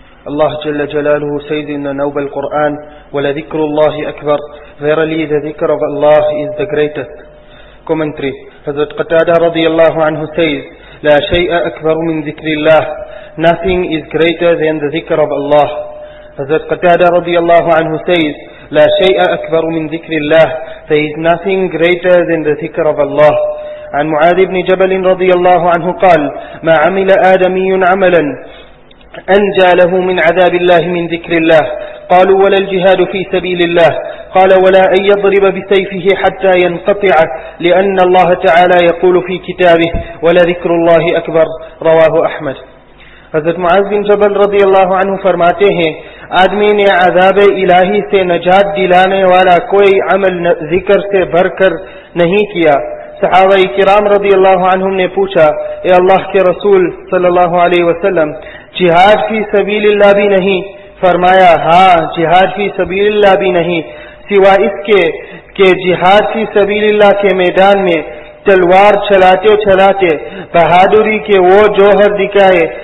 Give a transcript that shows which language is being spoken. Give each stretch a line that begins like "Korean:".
Arabic: الله جل جلاله سيدنا نوب القرآن ولذكر الله أكبر.
English: Verily the ذكر of Allah is the greatest. Commentary. Hazrat Qatada
Arabic: رضي الله عنه
English: says,
Arabic: لا شيء أكبر من ذكر الله.
English: Nothing is greater than the ذكر of Allah. Hazrat Qatada
Arabic: رضي الله عنه
English: says,
Arabic: لا شيء أكبر من ذكر الله.
English: There is nothing greater than the ذكر of Allah.
Arabic: عن معاذ بن جبل رضي الله عنه قال ما عمل آدمي عملا أنجى له من عذاب الله من ذكر الله. قالوا ولا الجهاد في سبيل الله. قال ولا أن يضرب بسيفه حتى ينقطع، لأن الله تعالى يقول في كتابه ولذكر الله أكبر. رواه أحمد.
Urdu: حضرت معاذ بن جبل رضي الله عنه فرماتے ہیں آدمی نے عذاب الہی سے نجات دلانے والا کوئی عمل ذکر سے بھر کر نہیں کیا. صحابہ کرام رضی اللہ عنہم نے پوچھا اے اللہ کے رسول صلی اللہ علیہ وسلم جہاد فی سبیل اللہ بھی نہیں؟ فرمایا ہاں جہاد فی سبیل اللہ بھی نہیں سوا اس کے کہ جہاد فی سبیل اللہ کے میدان میں تلوار چلاتے چلاتے بہادری کے وہ جوہر دکھائے